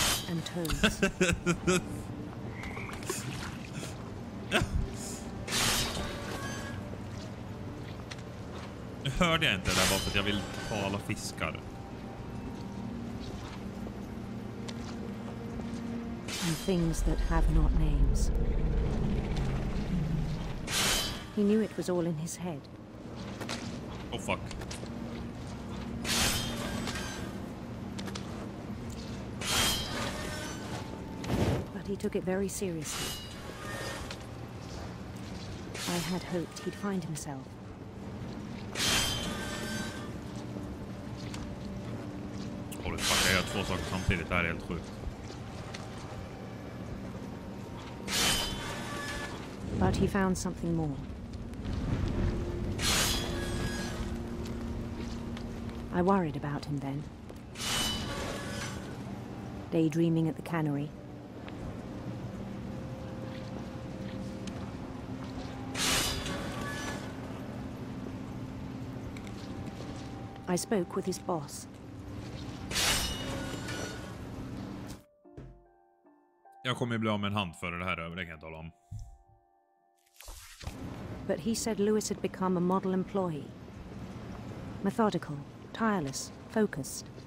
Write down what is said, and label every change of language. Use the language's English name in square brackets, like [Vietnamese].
[English] And toes. [Swedish] Nu hörde jag inte det där bara för att jag vill ta alla fiskar. [English] Things that have not names. He knew it was all in his head. Oh fuck. But he took it very seriously. I had hoped he'd find himself. Holy fuck, [Swedish] jag har två saker samtidigt, det här är helt sjukt. [English] But he found something more. I worried about him then. Daydreaming at the cannery. I spoke with his boss. [Swedish] Jag kommer bli av med en hand för det här över, det kan jag tala om. [English] But he said Lewis had become a model employee. Methodical, tireless, focused.